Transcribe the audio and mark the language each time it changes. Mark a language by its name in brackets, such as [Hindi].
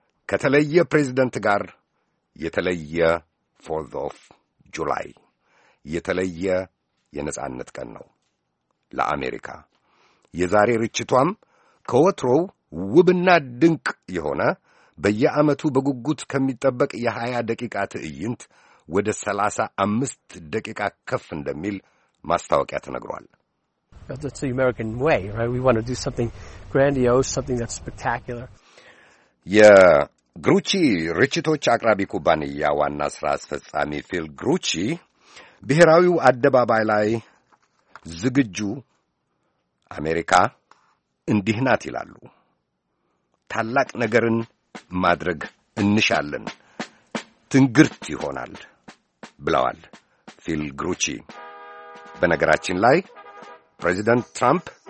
[Amharic] ከተለየ ፕሬዚደንት ጋር የተለየ 4th of July የተለየ የነጻነት ቀን ነው ለአሜሪካ። የዛሬ ርችቷም ከወትሮው ውብና ድንቅ የሆነ በየዓመቱ በጉጉት ከሚጠበቅ የ20 ደቂቃ ትዕይንት ወደ 35 ደቂቃ ከፍ እንደሚል ማስታወቂያ ተነግሯል። [English] That's the American way, right? We want to do something grandiose, something that's spectacular. [Amharic] የግሩቺ ርችቶች አቅራቢ ኩባንያ ዋና ሥራ አስፈጻሚ ፊል ግሩቺ ብሔራዊው አደባባይ ላይ ዝግጁ አሜሪካ እንዲህ ናት ይላሉ። ታላቅ ነገርን ማድረግ እንሻለን ትንግርት ይሆናል ብለዋል ፊል ግሩቺ። በነገራችን ላይ ፕሬዚደንት ትራምፕ